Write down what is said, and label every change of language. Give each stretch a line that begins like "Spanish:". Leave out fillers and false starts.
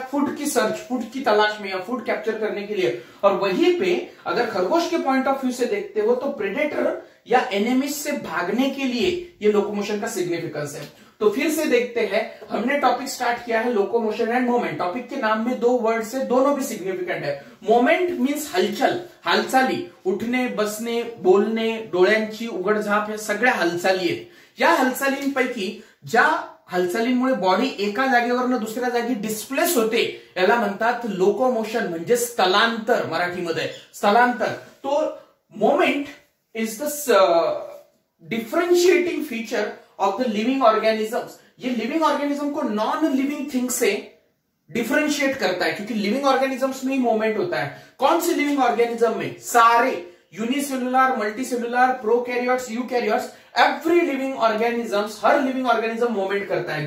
Hindi: Food की search, food की तलाश में या फूड कैप्चर करने के लिए। और वहीं पे अगर खरगोश के पॉइंट ऑफ व्यू से देखते हो तो प्रेडेटर या एनिमिस से भागने के लिए ये लोकोमोशन का सिग्निफिकेंस है। तो फिर से देखते हैं, हमने टॉपिक स्टार्ट किया है लोकोमोशन एंड मोमेंट। टॉपिक के नाम में दो वर्ड्स है, दोनों भी सिग्निफिकेंट है।
Marathi: मोमेंट मीन्स हलचल, हालचाली,
Hindi: उठने बसने बोलने
Marathi: डोळ्यांची उघड झाप या सगळ्या हालचाली आहेत। या हालचालींपैकी ज्या हालचालींमुळे बॉडी एका जागेवरून दुसऱ्या जागी डिस्प्लेस होते याला म्हणतात लोकोमोशन, म्हणजे स्थलांतर मराठीमध्ये स्थलांतर।
English: तो movement is the differentiating feature of the living organisms.
Hindi: ये लिविंग ऑर्गेनिज्म को नॉन लिविंग थिंग से डिफरेंशिएट करता है, क्योंकि लिविंग ऑर्गेनिजम्स में ही मोमेंट होता है। कौन से लिविंग ऑर्गेनिज्म में? सारे, unicellular, multicellular, prokaryotes, eukaryotes,
English: every living organism,
Hindi: हर लिविंग ऑर्गेनिज्म मोमेंट करता है।